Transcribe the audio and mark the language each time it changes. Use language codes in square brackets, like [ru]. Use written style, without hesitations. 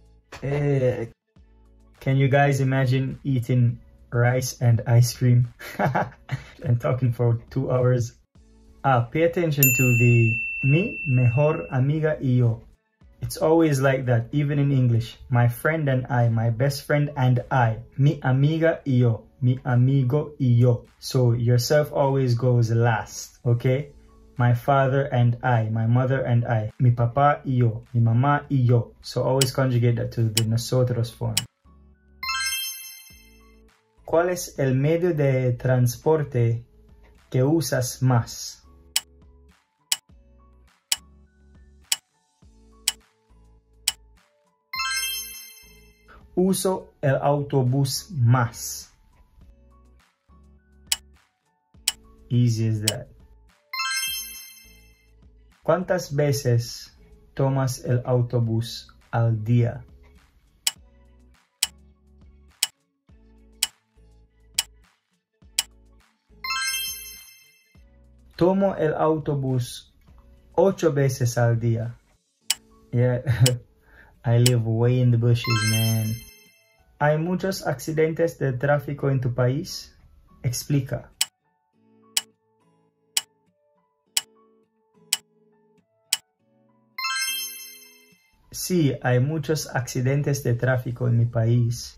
[en] Can you guys imagine eating rice and ice cream and talking for 2 hours? Pay attention to the [es] mi mejor amiga y yo. [en] It's always like that, even in English. My friend and I, my best friend and I. [es] Mi amiga y yo, mi amigo y yo. [en] So yourself always goes last, okay? My father and I, my mother and I. [es] Mi papá y yo, mi mamá y yo. [en] So always conjugate that to the nosotros form. [es] ¿Cuál es el medio de transporte que usas más? Uso el autobús más. [en] Easy as that. [es] ¿Cuántas veces tomas el autobús al día? Tomo el autobús 8 veces al día. [en] Yeah, I live way in the bushes, man. [es] ¿Hay muchos accidentes de tráfico en tu país? Explica. Sí, hay muchos accidentes de tráfico en mi país.